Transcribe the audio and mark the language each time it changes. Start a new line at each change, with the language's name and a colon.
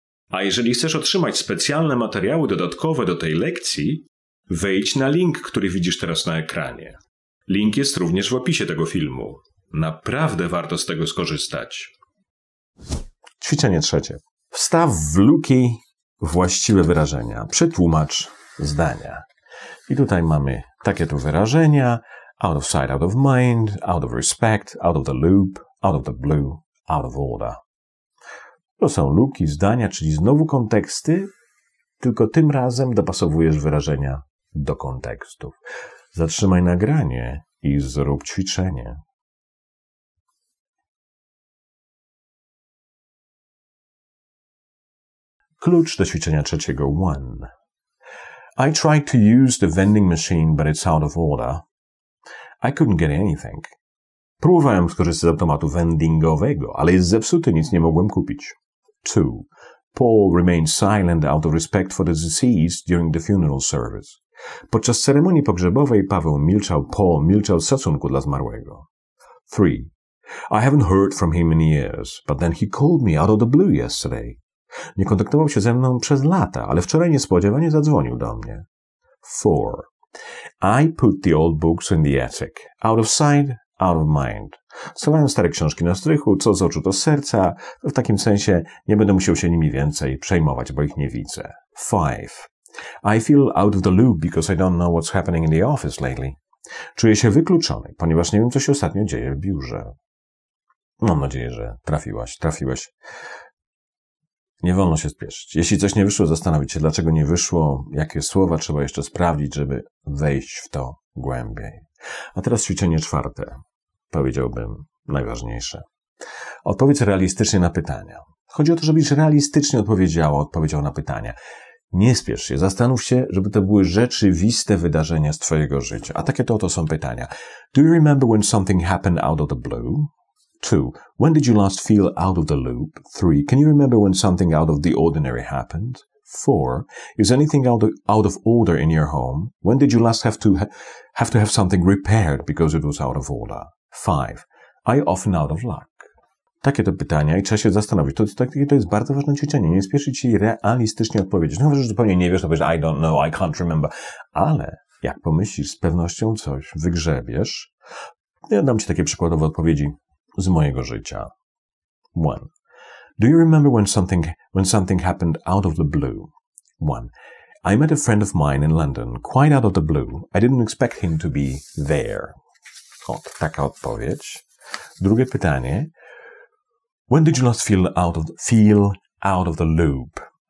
Polish: A jeżeli chcesz otrzymać specjalne materiały dodatkowe do tej lekcji, wejdź na link, który widzisz teraz na ekranie. Link jest również w opisie tego filmu. Naprawdę warto z tego skorzystać. Ćwiczenie trzecie. Wstaw w luki właściwe wyrażenia. Przetłumacz zdania. I tutaj mamy takie tu wyrażenia. Out of sight, out of mind, out of respect, out of the loop, out of the blue, out of order. To są luki zdania, czyli znowu konteksty, tylko tym razem dopasowujesz wyrażenia do kontekstów. Zatrzymaj nagranie i zrób ćwiczenie. Klucz do ćwiczenia trzeciego. 1.
English: I tried to use the vending machine, but it's out of order. I couldn't get anything.
Polish: Próbowałem skorzystać z automatu vendingowego, ale jest zepsuty, nic nie mogłem kupić. 2.
English: Paul remained silent out of respect for the deceased during the funeral service.
Polish: Podczas ceremonii pogrzebowej Paul milczał z szacunku dla zmarłego. 3.
English: I haven't heard from him in years, but then he called me out of the blue yesterday.
Polish: Nie kontaktował się ze mną przez lata, ale wczoraj niespodziewanie zadzwonił do mnie. 4.
English: I put the old books in the attic. Out of sight, out of mind.
Polish: Schowałem stare książki na strychu, co z oczu do serca. W takim sensie nie będę musiał się nimi więcej przejmować, bo ich nie widzę. 5.
English: I feel out of the loop because I don't know what's happening in the office lately.
Polish: Czuję się wykluczony, ponieważ nie wiem, co się ostatnio dzieje w biurze. Mam nadzieję, że trafiłeś. Nie wolno się spieszyć. Jeśli coś nie wyszło, zastanowić się, dlaczego nie wyszło, jakie słowa trzeba jeszcze sprawdzić, żeby wejść w to głębiej. A teraz ćwiczenie czwarte. Powiedziałbym najważniejsze. Odpowiedz realistycznie na pytania. Chodzi o to, żebyś realistycznie odpowiedział na pytania. Nie spiesz się. Zastanów się, żeby to były rzeczywiste wydarzenia z twojego życia. A takie to oto są pytania.
English: Do you remember when something happened out of the blue? 2. When did you last feel out of the loop? 3. Can you remember when something out of the ordinary happened? 4. Is anything out of order in your home? When did you last have to have something repaired because it was out of order? 5. Are you often out of luck?
Polish: Takie to pytania i trzeba się zastanowić. To jest bardzo ważne ćwiczenie. Nie spieszyć się i realistycznie odpowiedzieć. No, że zupełnie nie wiesz, to powiesz,
English: I don't know, I can't remember.
Polish: Ale jak pomyślisz, z pewnością coś wygrzebiesz. Ja dam ci takie przykładowe odpowiedzi z mojego życia. 1.
English: Do you remember when something happened out of the blue? 1. I met a friend of mine in London, quite out of the blue. I didn't expect him to be there.
Polish: O, taka odpowiedź. Drugie pytanie.
English: When did you last feel out of the loop?